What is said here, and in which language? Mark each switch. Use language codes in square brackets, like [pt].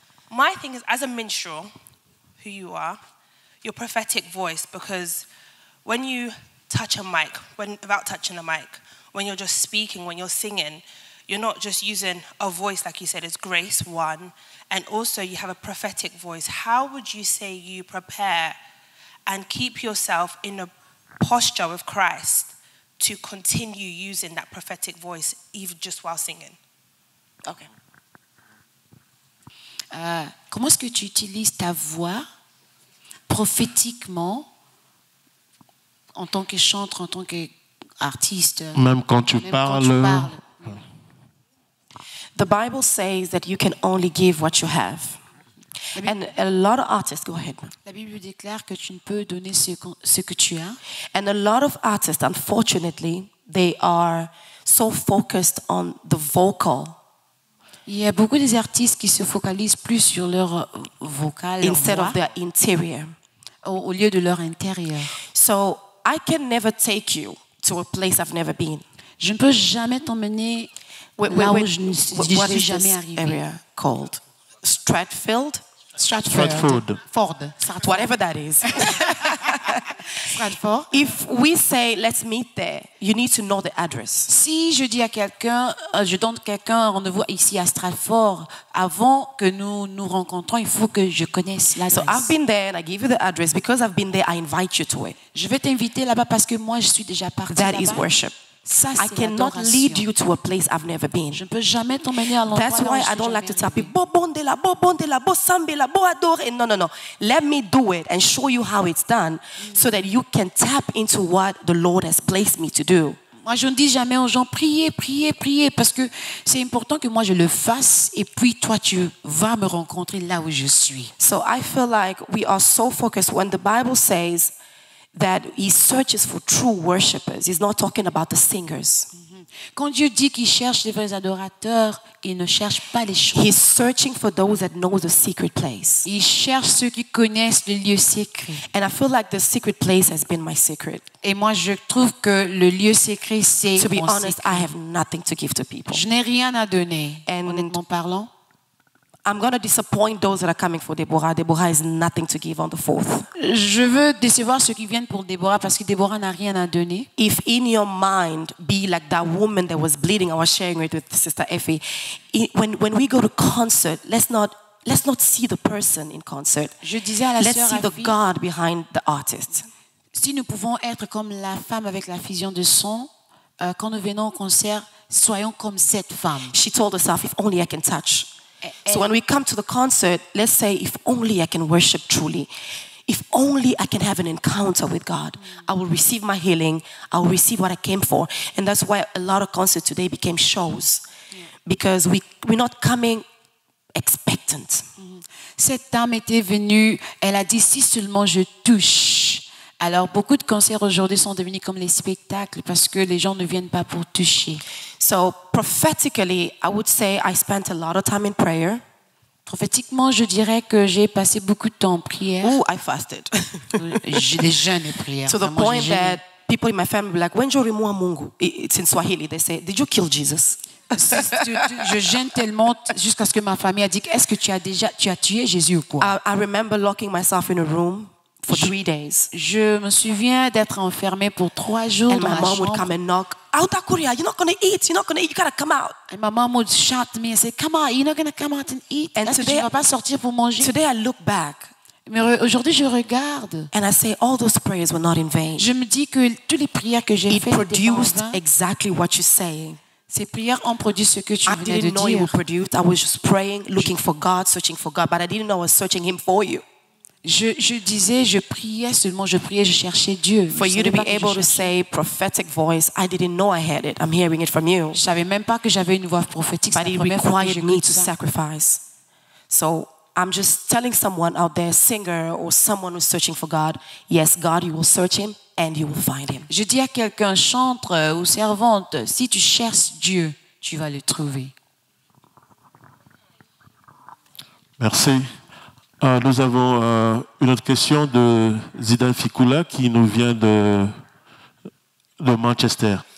[en] My thing is, as a minstrel, who you are, your prophetic voice, because when you touch a mic, when you're just speaking, when you're singing, you're not just using a voice, like you said, it's grace, one, and also you have a prophetic voice. How would you say you prepare and keep yourself in a posture with Christ to continue using that prophetic voice, even just while singing? Okay. [fr] Comment est-ce que tu utilises ta voix prophétiquement en tant que chanteur, en tant qu'artiste. Même quand tu parles. [en] The Bible says that you can only give what you have. And a lot of artists, go ahead. [fr] La Bible déclare que tu ne peux donner ce que tu as. [en] And a lot of artists, unfortunately, they are so focused on the vocal. [fr] Il y a beaucoup des artistes qui se focalisent plus sur leur vocal, [en] instead [fr] leur [en] of their interior. [fr] Au lieu de leur intérieur. [en] So I can never take you to a place I've never been. [fr] Je ne peux jamais t'emmener là où je ne suis jamais arrivé. [en] Area called Stratfield. Stratford. Ford. Stratford. Whatever that is. Stratford. If we say let's meet there, you need to know the address. [fr] Si je dis à quelqu'un, je donne quelqu'un rendez-vous ici à Stratford, avant que nous nous rencontrons, il faut que je connaisse l'adresse. [en] So I've been there and I give you the address because I've been there. I invite you to it. [fr] Je vais t'inviter là-bas parce que moi je suis déjà partie [en] that [fr] là-bas. [en] That is worship. [fr] Ça, [en] I cannot lead you to a place I've never been. [fr] Je ne peux jamais t'emmener à l'endroit. [en] That's why I don't like to tell people, [ln] bo bondela, bo sambela, bo adore. [en] No. Let me do it and show you how it's done, so that you can tap into what the Lord has placed me to do. [fr] Moi, je ne dis jamais aux gens priez, parce que c'est important que moi je le fasse et puis toi tu vas me rencontrer là où je suis. [en] So I feel like we are so focused when the Bible says that he searches for true worshippers. He's not talking about the singers. [fr] Quand Dieu dit qu'il cherche les vrais adorateurs, il ne cherche pas les chanteurs. [en] He's searching for those that know the secret place. [fr] Il cherche ceux qui connaissent le lieu secret. [en] And I feel like the secret place has been my secret. [fr] Et moi, je trouve que le lieu secret, c'est mon secret. [en] To be honest, I have nothing to give to people. [fr] Je n'ai rien à donner. And honnêtement parlant, [en] I'm going to disappoint those that are coming for Deborah. Deborah has nothing to give on the 4th. [fr] Je veux décevoir ceux qui viennent pour Deborah parce que Deborah n'a rien à donner. [en] If in your mind be like that woman that was bleeding, I was sharing it with Sister Effie. When we go to concert, let's not see the person in concert. [fr] Je disais à la [en] let's see [fr] Effie, [en] the God behind the artist. [fr] Si nous pouvons être comme la femme avec la fusion de son, quand nous venons au concert, soyons comme cette femme. [en] She told herself, if only I can touch. So when we come to the concert, let's say, if only I can worship truly, if only I can have an encounter with God, I will receive my healing, I will receive what I came for. And that's why a lot of concerts today became shows, because we're not coming expectant. [fr] Cette dame était venue, elle a dit, si seulement je touche. Alors beaucoup de concerts aujourd'hui sont devenus comme les spectacles parce que les gens ne viennent pas pour toucher. [en] So prophetically, I would say I spent a lot of time in prayer. [fr] Prophétiquement, je dirais que j'ai passé beaucoup de temps en prière. [en] Oh, I fasted. [fr] J'ai des jeûnes et prières. [en] To the point that people in my family were like, "When you remove Mungu," it's in Swahili. They say, "Did you kill Jesus?" [fr] Je jeûne tellement jusqu'à ce que ma famille a dit, "Est-ce que tu as tué Jésus ou quoi?" [en] I remember locking myself in a room. For 3 days. [fr] Je me souviens d'être enfermée pour 3 jours dans ma chambre. [en] And my mom would come and knock. Out of Korea, you're not going to eat. You're not going to eat. You got to come out. And my mom would shout to me and say, come on, you're not going to come out and eat. And today, [fr] tu ne vas pas sortir pour manger. [en] Today I look back. [fr] Mais aujourd'hui, je regarde. [en] And I say, all those prayers were not in vain. [fr] Je me dis que toutes les prières que j'ai faites étaient en vain. [en] It produced exactly what you say. [fr] Ces prières ont produit ce que tu venais de dire. [en] I didn't know it would produce. I was just praying, looking for God, searching for God. But I didn't know I was searching him for you. [fr] Je disais, je priais seulement, je priais, je cherchais Dieu. [en] For you to be able to say prophetic voice, I didn't know I had it. I'm hearing it from you. [fr] Je savais même pas que j'avais une voix prophétique. [en] But it required me to sacrifice. So I'm just telling someone out there, singer or someone who's searching for God, yes, God, you will search him and you will find him. [fr] Je dis à quelqu'un, chanteur ou servante, si tu cherches Dieu, tu vas le trouver. Merci. Nous avons une autre question de Zidane Fikula qui nous vient de Manchester.